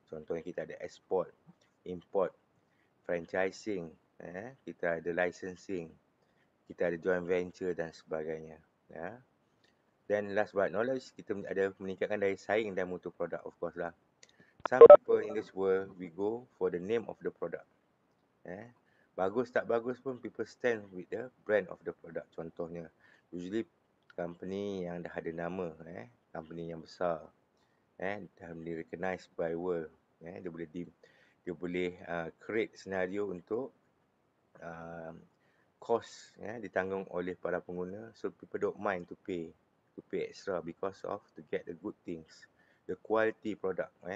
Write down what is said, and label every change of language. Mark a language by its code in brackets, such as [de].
[ms] Contohnya kita ada export, import, franchising, kita ada licensing, kita ada joint venture dan sebagainya. Dan [en] last but not least, [ms] kita ada meningkatkan daya saing dan mutu produk, of course lah. [en] Some people in this world, we go for the name of the product. [ms] Bagus tak bagus pun, [en] people stand with the brand of the product. [ms] Contohnya, usually company yang dah ada nama, company yang besar, dah boleh [en] recognize by world, [ms] dia boleh [en] create scenario [ms] untuk cost ditanggung oleh para pengguna. [en] So people don't mind to pay extra because of to get the good things, the quality product.